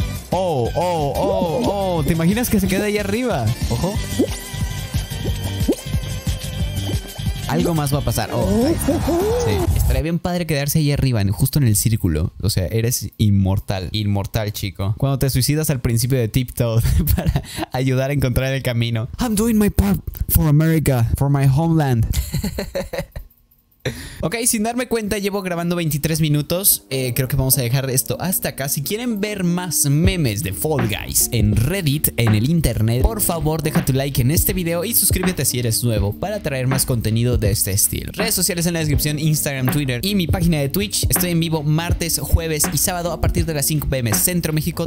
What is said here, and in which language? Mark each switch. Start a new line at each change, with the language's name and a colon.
Spanish: Oh. ¿Te imaginas que se queda ahí arriba? Ojo. Algo más va a pasar. Oh, sí. Estaría bien padre quedarse ahí arriba, justo en el círculo. O sea, eres inmortal. Inmortal, chico. Cuando te suicidas al principio de Tiptoe para ayudar a encontrar el camino.
English: I'm doing my part for America, for my homeland.
Spanish: Ok, sin darme cuenta, llevo grabando 23 minutos. Creo que vamos a dejar esto hasta acá. Si quieren ver más memes de Fall Guys en Reddit, en el internet, por favor deja tu like en este video y suscríbete si eres nuevo para traer más contenido de este estilo. Redes sociales en la descripción, Instagram, Twitter y mi página de Twitch. Estoy en vivo martes, jueves y sábado a partir de las 5 pm Centro México.